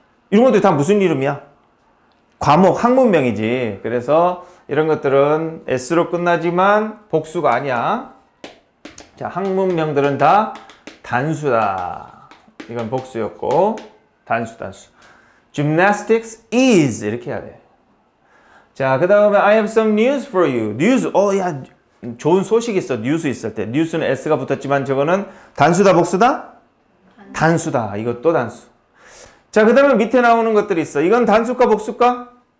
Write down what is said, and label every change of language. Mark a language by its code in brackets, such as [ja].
[ko] 이런 것들이 다 무슨 이름이야? 과목, 학문명이지. 그래서 이런 것들은 S로 끝나지만 복수가 아니야. 자, 학문명들은 다 단수다. 이건 복수였고, 단수, 단수. Gymnastics is 이렇게 해야 돼. 자, 그 다음에 [en] I have some news for you. [ko] News, 야, 좋은 소식 있어. News 있을 때. News는 S가 붙었지만 저거는 단수다, 복수다? 단수다. 이것도 단수. 자, 그 다음에 밑에 나오는 것들이 있어. 이건 단수과 복수과?